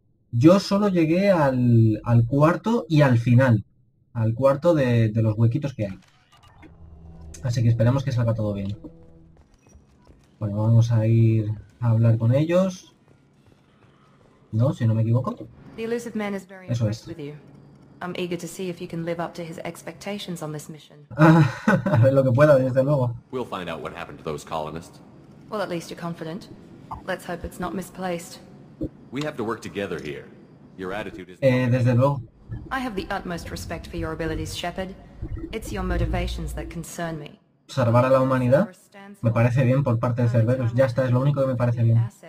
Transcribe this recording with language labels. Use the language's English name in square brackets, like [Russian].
[Spanish] Yo solo llegué al cuarto y al final, al cuarto de los huequitos que hay. Así que esperemos que salga todo bien. Bueno, vamos a ir a hablar con ellos. No, si no me equivoco. [English] The elusive man is very [Spanish] Eso [English] impressed [Spanish] es. [English] with you. I'm eager to see if you can live up to his expectations on this mission. [Spanish] A ver lo que pueda, desde luego. [English] We'll find out what happened to those colonists. Well, at least you're confident. Let's hope it's not misplaced. We have to work together here. Your attitude is [Spanish] Desde luego. [English] I have the utmost respect for your abilities, Shepard. It's your motivations that concern me. [Spanish] Salvar a la humanidad me parece bien por parte de Cerberus. Ya está, es lo único que me parece bien.